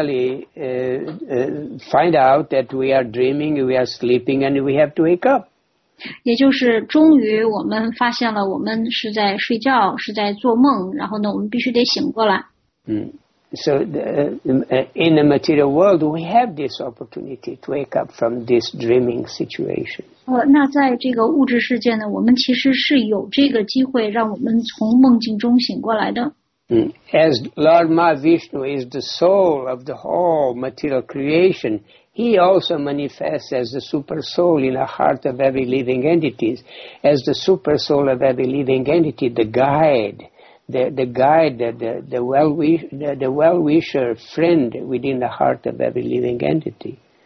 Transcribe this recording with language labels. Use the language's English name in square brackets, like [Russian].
[English] To finally find out that we are dreaming, we are sleeping, and we have to wake up. [Chinese] 也就是终于我们发现了我们是在睡觉，是在做梦，然后呢，我们必须得醒过来。 [English] So in the material world, we have this opportunity to wake up from this dreaming situation. [Chinese] 那在这个物质世界呢，我们其实是有这个机会让我们从梦境中醒过来的。 [English] As Lord Mahavishnu is the soul of the whole material creation, he also manifests as the super soul in the heart of every living entity, as the super soul of every living entity, the guide. The guide, the well-wisher friend within the heart of every living entity.